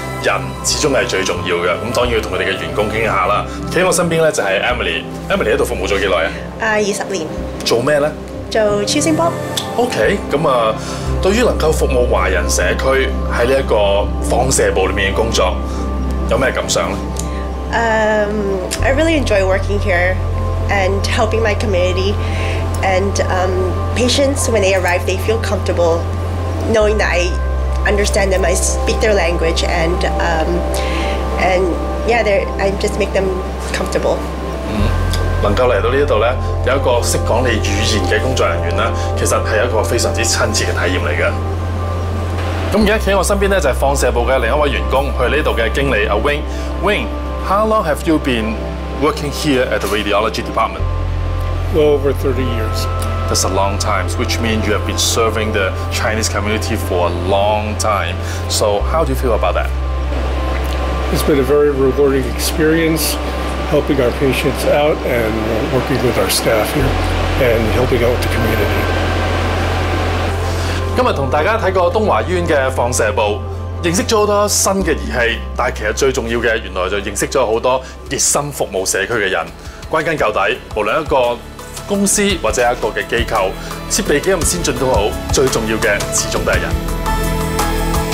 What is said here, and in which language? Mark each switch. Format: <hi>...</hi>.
<yue>人始終是最重要的，當然要跟他們的員工傾下。站在我身邊就是 Emily， Emily 在這裡服務了多久？ 20年。做什麼呢？做超聲波。 OK， 對於能夠服務華人社區在這個放射部裡面的工作有什麼感想呢？</yue> <en>I really enjoy working here and helping my community and patients when they arrive they feel comfortable knowing that I understand them, I speak their language and I just make them comfortable.</en> <yue>能夠來到這裡有一個懂得說你語言的工作人員其實是一個非常親切的體驗來的。現在站在我身邊就是放射部的另一位員工，他是這裡的經理 Wing。</yue> <en>Wing, how long have you been working here at the radiology department? Well, over 30 years. That's a long time, which means you have been serving the Chinese community for a long time. So how do you feel about that? It's been a very rewarding experience, helping our patients out and working with our staff here and helping out with the community.</en> <yue>今天跟大家看過東華醫院的放射部，認識了很多新的儀器，但其實最重要的原來就認識了很多熱心服務社區的人。歸根究底，無論一個公司或者一個機構，設備幾咁先進都好，最重要的始終都是人。</yue>